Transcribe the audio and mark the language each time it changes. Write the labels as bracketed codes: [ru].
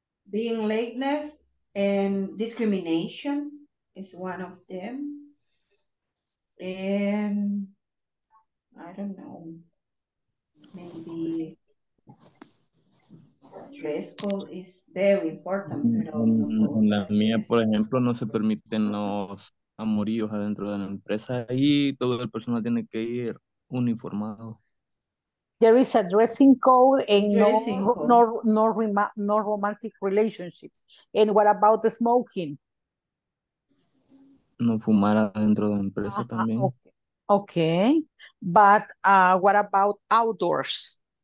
[en] Being lateness and discrimination is one of them. And I don't know, maybe dress code is very important. [es] La mía, por ejemplo, no se permiten los amoríos adentro de la empresa y todo el personal tiene que ir uniformado. [en] There is a dressing code and no romantic relationships. And what about the smoking? [es] No fumar adentro de empresa también. [en] Okay. But what about outdoors?